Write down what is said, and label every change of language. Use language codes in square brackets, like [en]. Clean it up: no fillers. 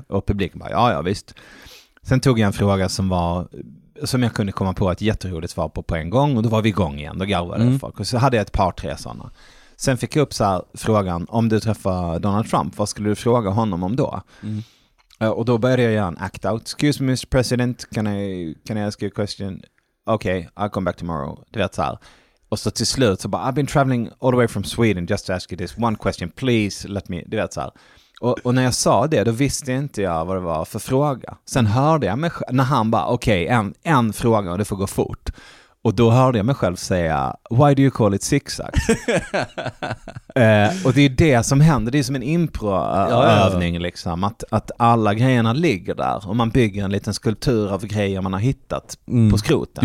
[sv] Och publiken bara: ja visst. Sen tog jag en fråga som jag kunde komma på ett jätteroligt svar på en gång, och då var vi igång igen. Då garvade folk. Och så hade jag ett par, tre sådana. Sen fick jag upp så här frågan: om du träffar Donald Trump, vad skulle du fråga honom om då? Och då började jag göra en act out. [en] Excuse me, Mr. President, can I ask you a question? Okay, I'll come back tomorrow. [sv] Du vet så här. Och så till slut så bara: [en] I've been traveling all the way from Sweden just to ask you this one question. Please let me, [sv] du vet så här. Och när jag sa det, då visste inte jag vad det var för fråga. Sen hörde jag mig själv, när han bara: okej, en fråga och det får gå fort. Och då hörde jag mig själv säga: [en] why do you call it zigzag? [sv] Och det är det som händer, det är som en improövning liksom, att alla grejerna ligger där och man bygger en liten skulptur av grejer man har hittat på skroten.